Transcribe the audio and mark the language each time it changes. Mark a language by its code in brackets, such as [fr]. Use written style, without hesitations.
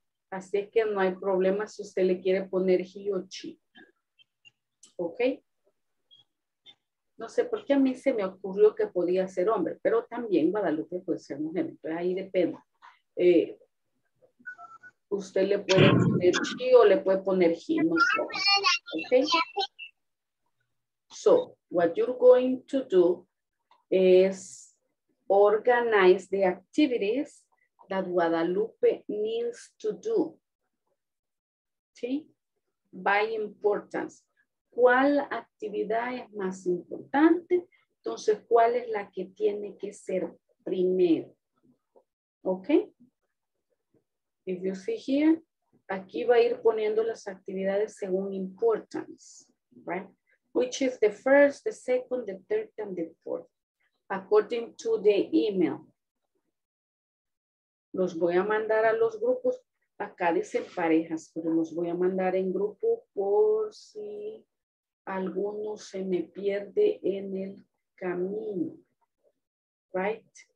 [es] Así que no hay problema si usted le quiere poner he o she. ¿Ok? No sé por qué a mí se me ocurrió que podía ser hombre, pero también Guadalupe puede ser mujer. Entonces ahí depende. Usted le puede poner she o le puede poner he. No sé. ¿Ok? [en] So, what you're going to do is organize the activities that Guadalupe needs to do. [es] ¿Sí? [en] By importance. [es] ¿Cuál actividad es más importante? Entonces, ¿cuál es la que tiene que ser primero? ¿Ok? [en] If you see here, [es] aquí va a ir poniendo las actividades según importance, right? [en] Which is the first, the second, the third, and the fourth, according to the email. [es] Los voy a mandar a los grupos, acá dicen parejas, pero los voy a mandar en grupo por si alguno se me pierde en el camino, right?